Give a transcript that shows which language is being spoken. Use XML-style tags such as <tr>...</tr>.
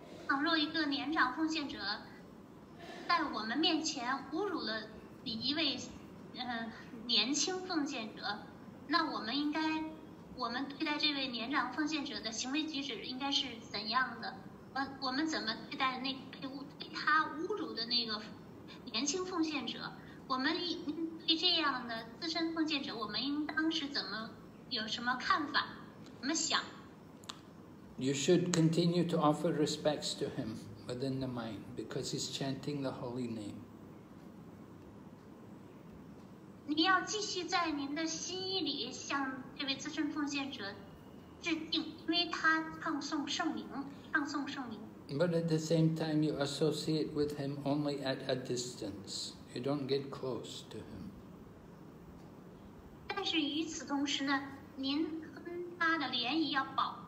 <zh>倘若一个年长奉献者在我们面前侮辱了一位年轻奉献者，那我们对待这位年长奉献者的行为举止应该是怎样的？我们怎么对待那被他侮辱的那个年轻奉献者？我们对这样的资深奉献者，我们应当是怎么有什么看法？怎么想？</zh> <en>You should continue to offer respects to him within the mind because he's chanting the holy name.</en> <zh>你要继续在您的心意里向这位资深奉献者致敬，因为他唱诵圣名，唱诵圣名。</zh> <en>But at the same time, you associate with him only at a distance. You don't get close to him.</en> <zh>但是与此同时呢，您跟他的联谊要保。</zh>